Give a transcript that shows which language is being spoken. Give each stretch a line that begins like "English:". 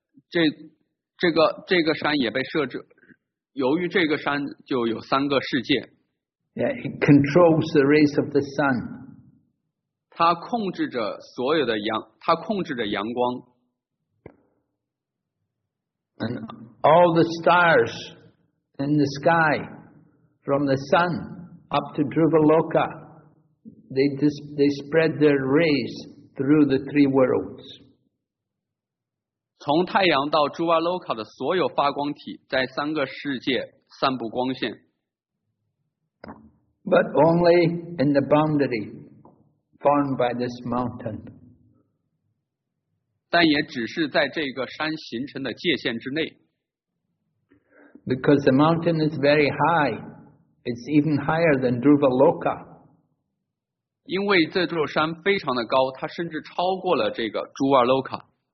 Chinese: 这座山山也被设置，由于这个山就有三个世界。
English: Yeah, it controls the rays of the sun.
Chinese: 它控制着所有的阳，它控制着阳光。
English: And all the stars in the sky. From the sun up to Dhruvaloka, they spread their rays through the three worlds.
Chinese: 从太阳到 Dhruvaloka 的所有发光体在三个世界散布光线。
English: But only in the boundary formed by this mountain.
Chinese: 但也只是在这个山形成的界限之内。
English: Because the mountain is very high. It's even higher than Dhruvaloka.
Chinese: 因为这座山非常的高，它甚至超过了这个朱瓦洛卡。